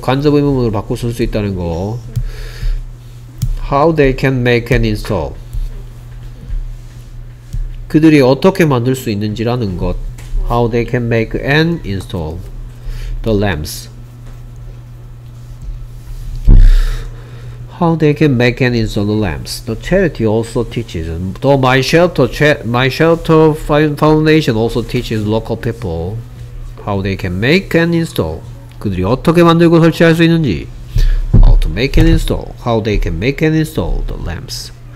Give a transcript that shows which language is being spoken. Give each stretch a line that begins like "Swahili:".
Korean: 간접 의문문으로 바꿔 쓸 수 있다는 거.
English: How they can make and install.
Korean: 그들이 어떻게 만들 수 있는지라는 것.
English: How they can make and install the lamps. How they can make and install the lamps. The charity also teaches. The My Shelter Foundation also teaches local people how they can make and install.
Korean: 그들이 어떻게 만들고 설치할 수 있는지.
English: How to make and install. How they can make and install the lamps.